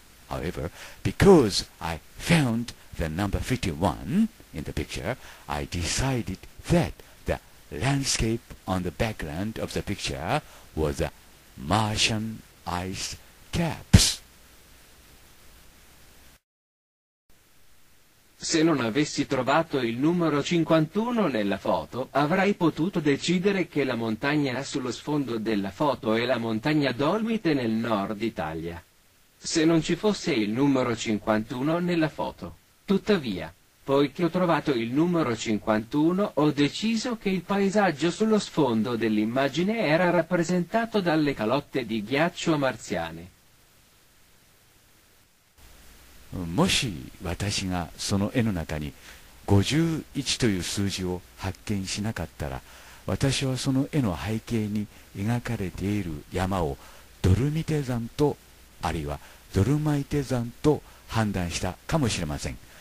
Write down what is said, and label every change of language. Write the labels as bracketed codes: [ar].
[en] However, because I found the number 51 in the picture, I decided that landscape on the background of the picture was the Martian ice caps. [it] Se non avessi trovato il numero 51 nella foto, avrei potuto decidere che la montagna sullo sfondo della foto è la montagna Dolomite nel nord Italia. se non ci fosse il numero 51 nella foto. Tuttavia, poiché ho trovato il numero 51, ho deciso che il paesaggio sullo sfondo dell'immagine era rappresentato dalle calotte di ghiaccio marziane. [ja] もし私がその絵の中に51という数字を発見しなかったら、私はその絵の背景に描かれている山をドルミテ山と、あるいはドルマイテ山と判断したかもしれません。